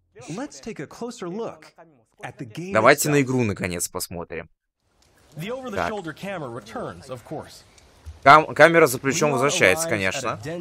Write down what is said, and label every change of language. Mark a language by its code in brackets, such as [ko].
[en] Let's take a closer look at the game. [ru] Давайте на игру наконец посмотрим. [en] The over-the-shoulder camera returns, of course. [ru] Камера за плечом возвращается, конечно.